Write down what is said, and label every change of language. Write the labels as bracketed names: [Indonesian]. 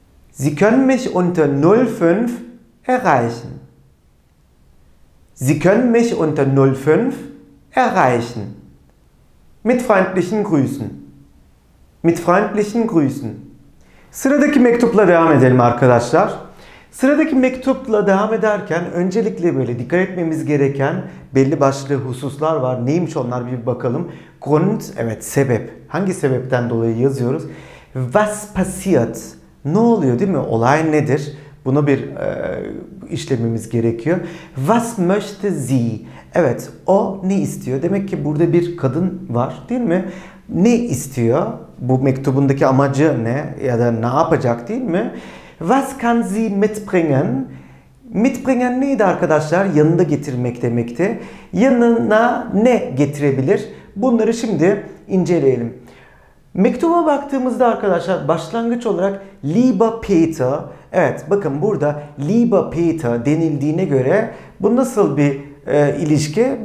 [German] Sie können mich unter 05 erreichen. Sie können mich unter 05 erreichen. Mit freundlichen Grüßen. Mit freundlichen Grüßen. [Turkish] Sıradaki mektupla devam edelim arkadaşlar. Sıradaki mektupla devam ederken öncelikle böyle dikkat etmemiz gereken belli başlı hususlar var. Neymiş onlar bir bakalım. Grund, evet sebep. Hangi sebepten dolayı yazıyoruz? [German] Was passiert? [Turkish] Ne oluyor değil mi? Olay nedir? Bunu bir işlememiz gerekiyor. [German] Was möchte sie? [Turkish] Evet, o ne istiyor? Demek ki burada bir kadın var değil mi? Ne istiyor? Bu mektubundaki amacı ne? Ya da ne yapacak değil mi? [German] Was kann sie mitbringen? [Turkish] Mitbringen neydi arkadaşlar? Yanında getirmek demekti. Yanına ne getirebilir? Bunları şimdi inceleyelim. Mektuba baktığımızda arkadaşlar başlangıç olarak [German] Lieber Peter. [Turkish] Evet bakın burada [German] Lieber Peter [Turkish] denildiğine göre bu nasıl bir ilişki?